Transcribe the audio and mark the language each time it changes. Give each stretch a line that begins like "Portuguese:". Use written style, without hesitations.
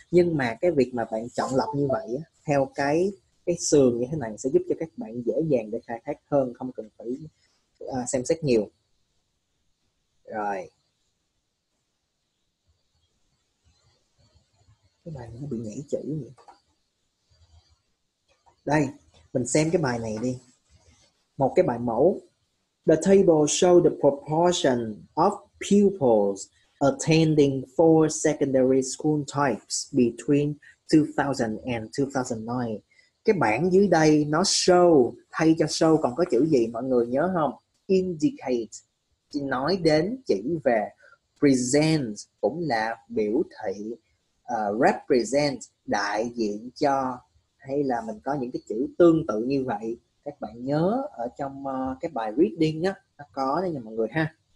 Vietnamese: Nhưng mà cái việc mà bạn chọn lọc như vậy theo cái sườn như thế này sẽ giúp cho các bạn dễ dàng để khai thác hơn, không cần phải xem xét nhiều. Rồi. Cái bài này nó bị nhảy chữ vậy. Đây, mình xem cái bài này đi. Một cái bài mẫu.
English: The table shows the proportion of pupils attending four secondary school types between 2000 and 2009.
Vietnamese: Cái bảng dưới đây nó show, thay cho show còn có chữ gì mọi người nhớ không? Indicate, nói đến, chỉ về. Present cũng là biểu thị, represent, đại diện cho. Hay là mình có những cái chữ tương tự như vậy. Các bạn nhớ ở trong cái bài reading á, nó có đấy nha mọi người ha.